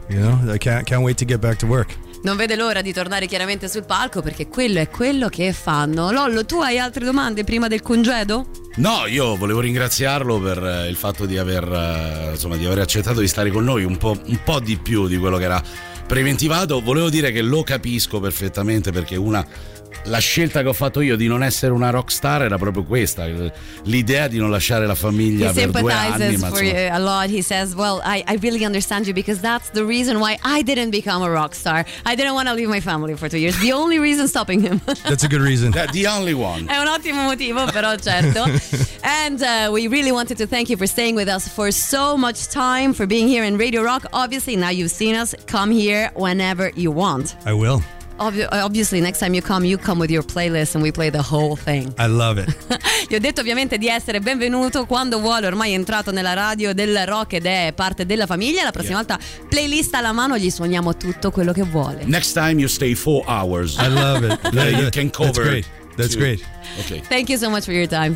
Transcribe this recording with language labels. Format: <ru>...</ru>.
<en>You know, I can't wait to get back to work.</en> <it>Non vede l'ora di tornare chiaramente sul palco, perché quello è quello che fanno. Lollo, tu hai altre domande prima del congedo? No, io volevo ringraziarlo per il fatto di aver, insomma, di aver accettato di stare con noi un po' di più di quello che era preventivato. Volevo dire che lo capisco perfettamente, perché la scelta che ho fatto io di non essere una rock star era proprio questa, l'idea di non lasciare la famiglia per 2 anni.</it> <en>He sympathizes a lot. He says, "Well, I really understand you, because that's the reason why I didn't become a rock star. I didn't want to leave my family for 2 years. The only reason stopping him." That's a good reason. Yeah, the only one.</en> <it>È un ottimo motivo, però certo.</it> <en>And we really wanted to thank you for staying with us for so much time, for being here in Radio Rock. Obviously, now you've seen us. Come here whenever you want. I will. Obviously, next time you come with your playlist and we play the whole thing. I love it.</en> <it>Gli ho detto ovviamente di essere benvenuto quando vuole, ormai è entrato nella radio del rock ed è parte della famiglia. La prossima volta, playlist alla mano, gli suoniamo tutto quello che vuole.</it> <en>Next time you stay 4 hours. I love it. You can cover. That's great. That's two. Great. Okay. Thank you so much for your time.</en>